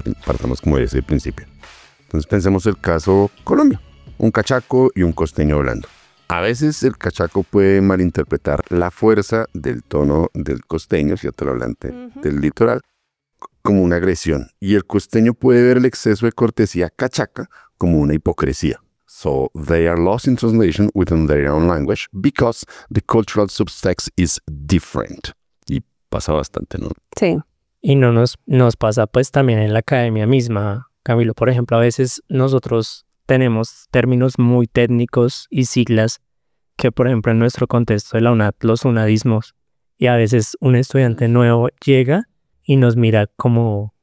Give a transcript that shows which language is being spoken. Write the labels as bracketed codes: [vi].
[es] Partamos como de ese principio. Entonces pensemos el caso Colombia. Un cachaco y un costeño hablando. A veces el cachaco puede malinterpretar la fuerza del tono del costeño, cierto, el hablante del litoral, como una agresión. Y el costeño puede ver el exceso de cortesía cachaca como una hipocresía. [en] So they are lost in translation within their own language because the cultural subtext is different. [es] Y pasa bastante, ¿no? Sí. Y no nos pasa pues también en la academia misma, Camilo. Por ejemplo, a veces nosotros tenemos términos muy técnicos y siglas que, por ejemplo, en nuestro contexto de la UNAD, los unadismos. Y a veces un estudiante nuevo llega y nos mira como...